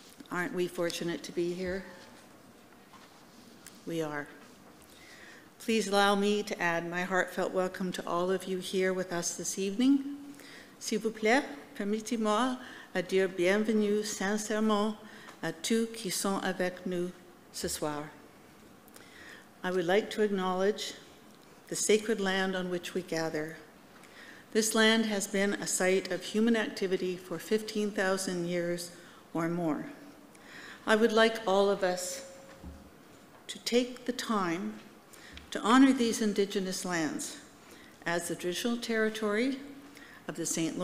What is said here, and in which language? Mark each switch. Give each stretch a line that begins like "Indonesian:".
English: Aren't we fortunate to be here? We are. Please allow me to add my heartfelt welcome to all of you here with us this evening.
French: S'il vous plaît, permettez-moi à dire bienvenue sincèrement à tous qui sont avec nous ce soir.
English: I would like to acknowledge the sacred land on which we gather. This land has been a site of human activity for 15,000 years or more. I would like all of us to take the time to honor these Indigenous lands as the traditional territory of the St.